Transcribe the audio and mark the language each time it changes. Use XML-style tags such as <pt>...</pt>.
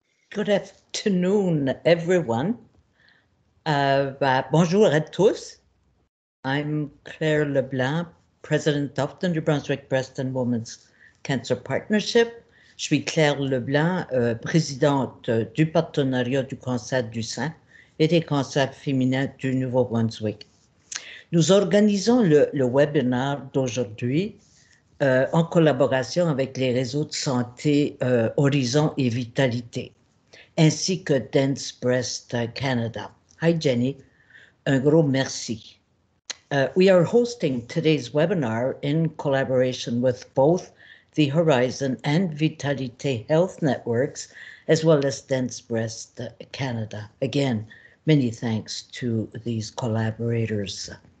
<en>Good afternoon, everyone.</en> <fr>Bonjour à tous.</fr> <en>I'm Claire LeBlanc, president of the New Brunswick Breast and Women's Cancer Partnership.</en> <fr>Je suis Claire LeBlanc, présidente du partenariat du cancer du sein et des cancers féminins du Nouveau-Brunswick. Nous organisons le webinar d'aujourd'hui en collaboration avec les réseaux de santé Horizon et Vitalité, ainsi que Dense Breast Canada.</fr> <en>Hi, Jenny.</en> <fr>Un gros merci.</fr> <en>We are hosting today's webinar in collaboration with both the Horizon and Vitalité Health Networks, as well as Dense Breast Canada. Again, many thanks to these collaborators.</en>